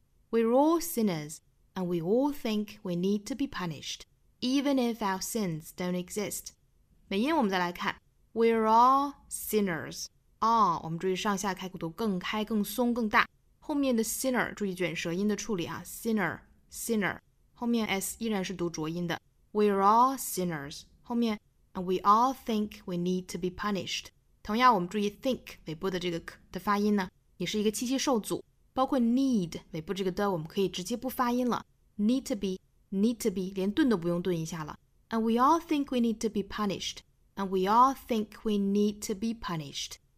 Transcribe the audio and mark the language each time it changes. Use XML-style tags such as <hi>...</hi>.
<en>We're all sinners, and we all think we need to be punished, even if our sins don't exist.</en> <zh>美音我们再来看</zh> <en>We're all sinners.</en> <zh>All, 我们注意上下开骨头更开更松更大。后面的 sinner, 注意卷舌音的处理啊 ,sinner, sinner, 后面 s 依然是读浊音的。</zh> <en>We're all sinners, 后面 and we all think we need to be punished.</en> <zh>同样我们注意 think, 尾部的这个 k 的发音呢也是一个气息受阻。包括 need, 尾部这个的我们可以直接不发音了。</zh> <en>Need to be, need to be,</en> <zh>连顿都不用顿一下了。</zh> <en>And we all think we need to be punished. And we all think we need to be punished.</en>